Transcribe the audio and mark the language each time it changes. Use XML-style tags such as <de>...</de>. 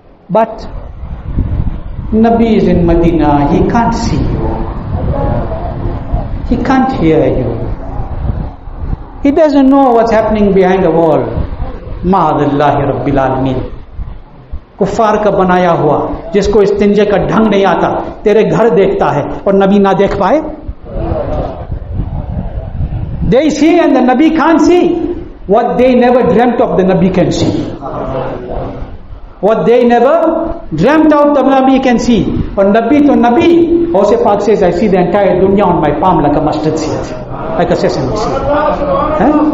<en>But Nabi is in Medina. He can't see you. He can't hear you. He doesn't know what's happening behind the wall.</en> <ar>Ma'adillahi Rabbil Alameen.</ar> <ur>کفار کا بنایا ہوا جس کو استنجے کا ڈھنگ نہیں آتا تیرے گھر دیکھتا ہے اور نبی نہ دیکھ پائے.</ur> <en>They see and the Nabi can't see what they never dreamt of. The Nabi can see what they never dreamt of. The Nabi can see.</en> <ur>اور نبی تو نبی.</ur> <en>حوث پاک says, I see the entire dunya on my palm like a mustard seed, like a sesame seed.</en>